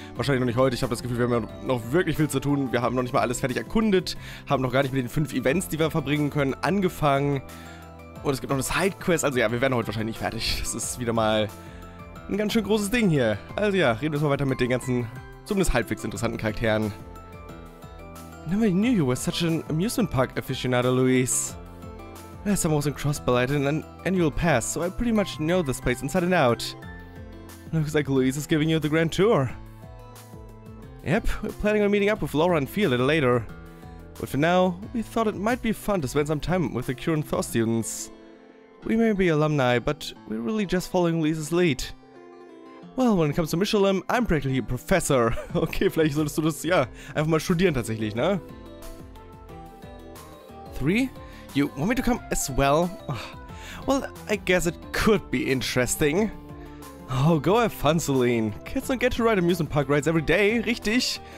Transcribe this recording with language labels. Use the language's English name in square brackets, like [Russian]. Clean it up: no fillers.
[German] Wahrscheinlich noch nicht heute. Ich habe das Gefühl, wir haben noch wirklich viel zu tun. Wir haben noch nicht mal alles fertig erkundet. Haben noch gar nicht mit den 5 Events, die wir verbringen können, angefangen. Und es gibt noch eine Sidequest. Also ja, wir werden heute wahrscheinlich nicht fertig. Das ist wieder mal ein ganz schön großes Ding hier. Also ja, reden wir mal weiter mit den ganzen, zumindest halbwegs interessanten Charakteren. [English] Never knew you were such an amusement park aficionado, Luis. Last time I was in Crossbelight in an annual pass, so I pretty much know this place inside and out. Looks like Luis is giving you the grand tour. Yep, we're planning on meeting up with Laura and Fee a little later. But for now, we thought it might be fun to spend some time with the Curran Thor students. We may be alumni, but we're really just following Luis's lead. Well, when it comes to Michelin, I'm practically a professor. [German] Okay, vielleicht solltest du das, ja, einfach mal studieren tatsächlich, ne? [English] 3? You want me to come as well? Well, I guess it could be interesting. Oh, go have fun, Celine. Kids don't get to ride amusement park rides every day, [German] richtig?